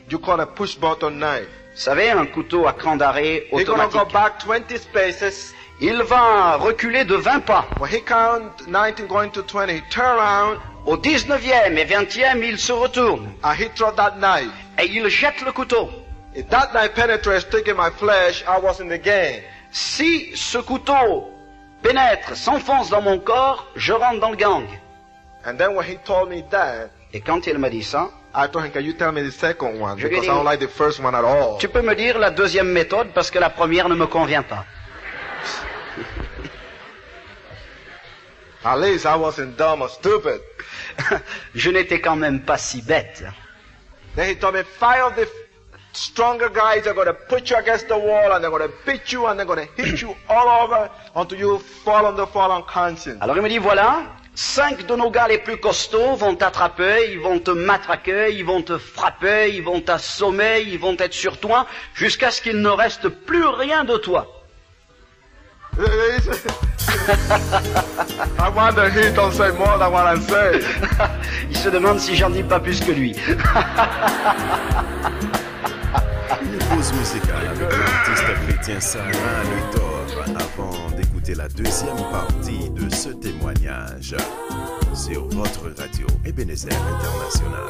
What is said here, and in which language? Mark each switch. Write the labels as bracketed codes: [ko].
[en] You call a push button knife. [fr] Vous savez, un couteau à cran d'arrêt automatique. [en] He's gonna go back 20 spaces. [fr] Il va reculer de 20 pas. [en] When he count 19 going to 20, he turn around. [fr] Au 19e et 20e, il se retourne. [en] And he throw that knife. [fr] Et il jette le couteau. [en] If that knife penetrates, taking my flesh, I was in the game. [fr] Si ce couteau pénètre, s'enfonce dans mon corps, je rentre dans le gang. [en] And then when he told me that, [fr] et quand il m'a dit ça, [en] I told him, can you tell me the second one? Because I don't like the first one at all. [fr] Tu peux me dire la deuxième méthode parce que la première ne me convient pas. [en] At least I wasn't dumb or stupid. [fr] Je n'étais quand même pas si bête. [en] Then he told me, fire the stronger guys are going to put you against the wall and they're going to beat you and they're going to hit you all over until you fall on the fall unconscious. [fr] Alors il me dit, voilà, 5 de nos gars les plus costauds vont t'attraper, ils vont te matraquer, ils vont te frapper, ils vont t'assommer, ils vont être sur toi jusqu'à ce qu'il ne reste plus rien de toi. [en] I wonder he don't say more than what I say. [fr] Il se demande si j'en dis pas plus que lui. Musicale avec l'artiste chrétien Sarah Luthor avant d'écouter la deuxième partie de ce témoignage sur votre radio Ebenezer International.